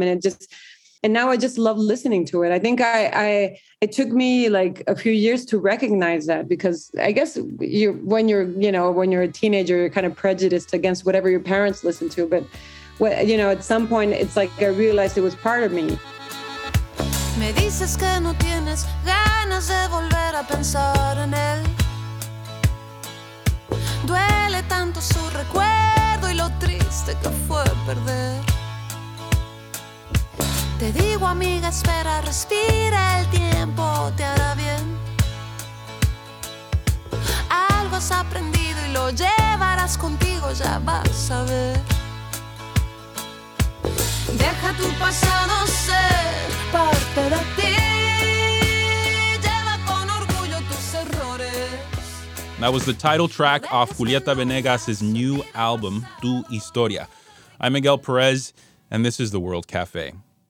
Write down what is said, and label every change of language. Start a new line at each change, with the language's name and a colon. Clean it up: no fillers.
English: And now I just love listening to it. I think it took me like a few years to recognize that, because I guess when you're a teenager, you're kind of prejudiced against whatever your parents listen to. But you know, at some point it's like I realized it was part of me.
Spanish: Me dices que no tienes ganas de volver a pensar en él. Duele tanto su recuerdo y lo triste que fue perder. Te digo, amiga, espera, respira, el tiempo te hará bien. Algo has aprendido y lo llevarás contigo, ya vas a ver. Deja tu pasado ser parte de ti. Lleva con orgullo tus errores.
English: That was the title track off Julieta Venegas' new album, Tu Historia. I'm Miguel Perez, and this is The World Cafe.